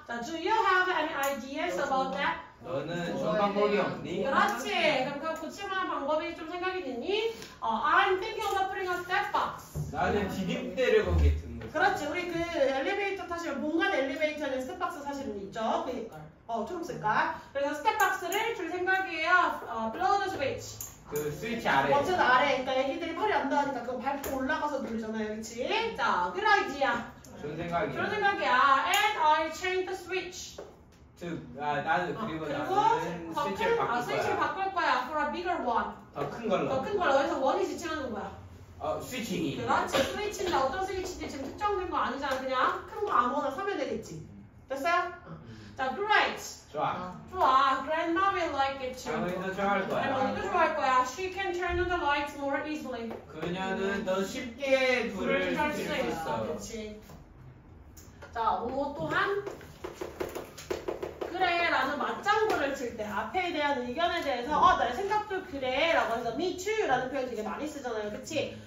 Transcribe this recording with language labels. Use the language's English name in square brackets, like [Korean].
[Korean] 자, [English] do you have any ideas about that? [Korean] 너는 좋은 방법이 없니? 그렇지. 그럼 그 고칠만한 방법이 좀 생각이 되니? [English] I'm thinking of putting a step box. [Korean] 나는 비빔대를 거기에 둔 거지. 그렇지. 우리 그 엘리베이터 타시면 공간 엘리베이터는 스텝박스 사실은 있죠. 그니깔. 초록색깔. 그래서 스텝박스를 줄 생각이에요. [English] Below the switch. [Korean] 그 스위치 아래. 어쨌든 아래. 그러니까 애기들이 허리 안 닿으니까 그 발 좀 올라가서 누르잖아요. 그렇지? 자, [English] good idea. [Korean] 좋은 생각이야. 좋은 생각이야. [English] And I change the switch. [Korean] 나는 그리고 나는 스위치를 바꿀 거야. [English] For a bigger one. [Korean] 더 큰 걸로. 더 큰 걸로. 여기서 원이 지칭하는 거야. 스위칭이. 그렇지. 스위칭인데 어떤 스위치인지 지금 특정된 거 아니잖아. 그냥 큰 거 아무거나 사면 되겠지. 됐어요? 자, great. 좋아. 좋아. [English] Grandma will like it too. [Korean] 할머니도 좋아할 거야. 할머니도 좋아할 거야. [English] She can turn on the lights more easily. [Korean] 그녀는 더 쉽게 불을 켤 수 있어. 그렇지. 자, 오 또한. 그래 라는 맞장구를 칠 때 앞에 대한 의견에 대해서 나의 생각도 그래 라고 해서 [English] me too [Korean] 라는 표현 되게 많이 쓰잖아요. 그치?